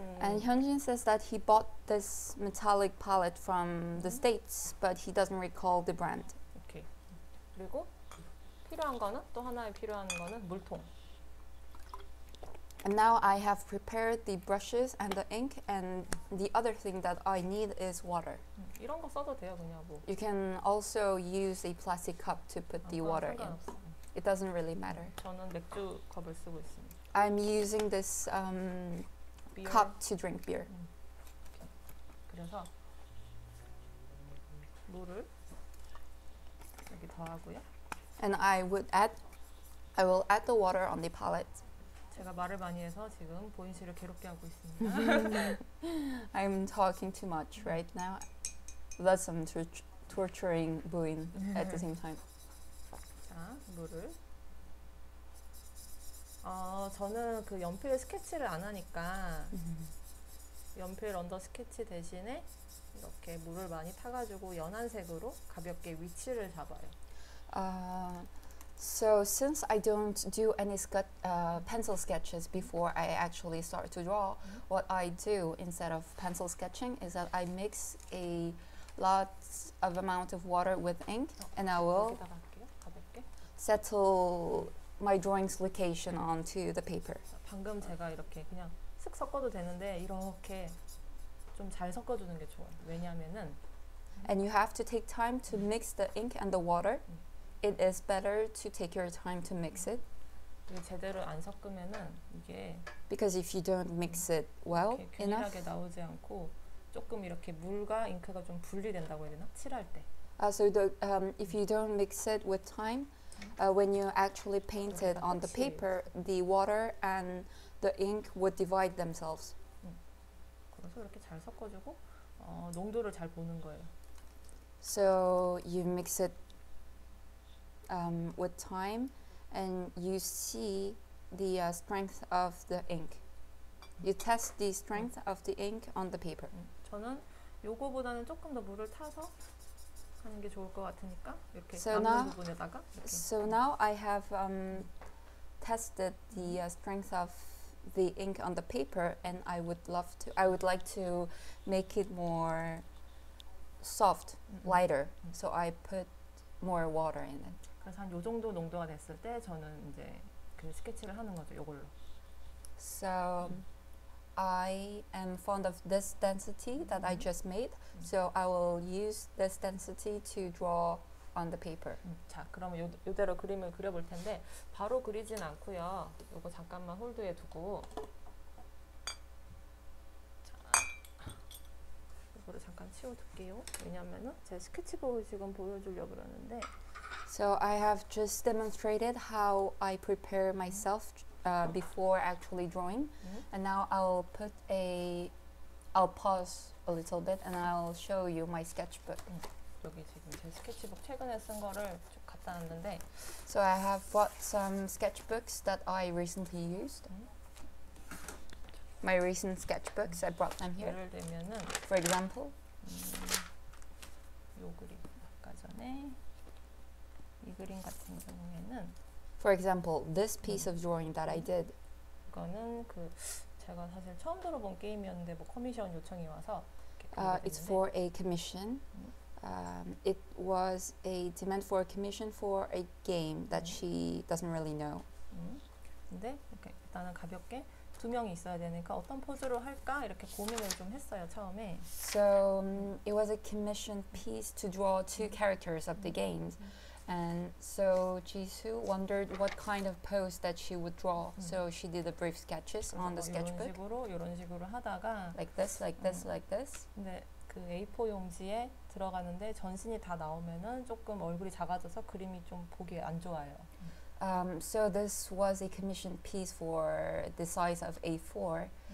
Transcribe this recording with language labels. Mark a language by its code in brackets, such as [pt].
[en] And Hyunjin says that he bought this metallic palette from the States, but he doesn't recall the brand. Okay. [ko] 그리고 필요한 거는 또 하나에 필요한 거는 물통. [en] And now I have prepared the brushes and the ink, and the other thing that I need is water. [ko] 이런 거 써도 돼요, 그냥 뭐. [en] You can also use a plastic cup to put the water in. It doesn't really matter. [ko] 저는 맥주 컵을 쓰고 있습니다. [en] I'm using this cup to drink beer. [ko] 그래서 물을 여기 더하고요. [en] And I will add the water on the palette. [ko] 제가 말을 많이 해서 지금 보인씨를 괴롭게 하고 있습니다. [en] I'm talking too much right now. That's some torturing Boin at the same time. [ko] 자, 물을. 저는 그 연필 스케치를 안 하니까 연필 언더 스케치 대신에 이렇게 물을 많이 타가지고 연한 색으로 가볍게 위치를 잡아요. [en] So since I don't do any pencil sketches before I actually start to draw, what I do instead of pencil sketching is that I mix a lot of amount of water with ink and I will settle my drawing's location onto the paper. [ko] 방금 제가 이렇게 그냥 슥 섞어도 되는데 이렇게 좀 잘 섞어주는 게 좋아요. 왜냐하면은 [en] And you have to take time to mix the ink and the water. It is better to take your time to mix it. [ko] 제대로 안 섞으면은 이게 [en] Because if you don't mix it well enough, [ko] 균일하게 나오지 않고 조금 이렇게 물과 잉크가 좀 분리된다고 해야 되나? 칠할 때. [en] So the if you don't mix it with time, when you actually paint it on the paper, the water and the ink would divide themselves. [ko] 그래서 이렇게 잘 섞어주고 농도를 잘 보는 거예요. [en] So you mix it. With time, and you see the strength of the ink. You test the strength of the ink on the paper. [ko] 저는 요거보다는 조금 더 물을 타서 하는 게 좋을 것 같으니까 이렇게 [en] so [ko] 남은 부분에다가. 이렇게. [en] So now I have tested the strength of the ink on the paper, and I would love to. I would like to make it more soft, lighter. So I put more water in it. [ko] 그래서 한 요 정도 농도가 됐을 때 저는 이제 그 스케치를 하는 거죠, 요걸로. [en] So, I am fond of this density that I just made. So, I will use this density to draw on the paper. [ko] 자, 그러면 요대로 그림을 그려볼 텐데 바로 그리진 않고요. 요거 잠깐만 홀드에 두고 자, 요거를 잠깐 치워둘게요. 왜냐면은 제 스케치북을 지금 보여주려고 그러는데 [en] So I have just demonstrated how I prepare myself before actually drawing, and now I'll pause a little bit and I'll show you my sketchbook. [ko] 여기 지금 제 스케치북 최근에 쓴 거를 쭉 갖다 놨는데. [en] So I have bought some sketchbooks that I recently used. My recent sketchbooks, I brought them here. [ko] 예를 들면은, [en] for example, [ko] 요 그림 아까 전에. 이 그림 같은 경우에는 [en] For example, this piece of drawing that I did [ko] 이거는 그 제가 사실 처음 들어본 게임이었는데 뭐 커미션 요청이 와서 [en] It's for a commission It was a demand for a commission for a game that she doesn't really know. [ko] 근데 이렇게 일단은 가볍게 두 명이 있어야 되니까 어떤 포즈로 할까 이렇게 고민을 좀 했어요 처음에. [en] So it was a commission piece to draw two characters of the games. And so Jisu wondered what kind of pose that she would draw. So she did the brief sketches on the sketchbook. [ko] 이런 식으로 하다가 [en] like this. [ko] 근데 그 A4 용지에 들어가는데 전신이 다 나오면은 조금 얼굴이 작아져서 그림이 좀 보기 안 좋아요. [en] So this was a commissioned piece for the size of A4.